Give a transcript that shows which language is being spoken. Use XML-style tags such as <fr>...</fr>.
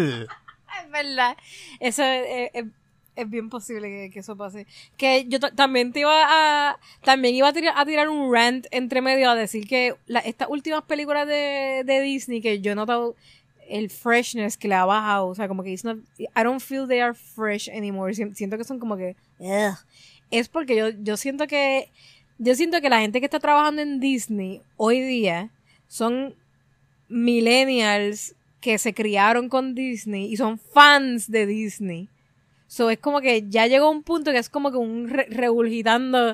<es>Es verdad. Eso es bien posible que eso pase. Que yo también iba a tirar un rant entre medio a decir que estas últimas películas de Disney, que yo he notado el freshness que le ha bajado. O sea, como que</es> <en>it's not, I don't feel they are fresh anymore.</en> <es>Siento que son como que... Ugh. Es porque yo siento que la gente que está trabajando en Disney hoy día son millennials que se criaron con Disney y son fans de Disney. So, es como que ya llegó un punto que es como que un regurgitando.</es>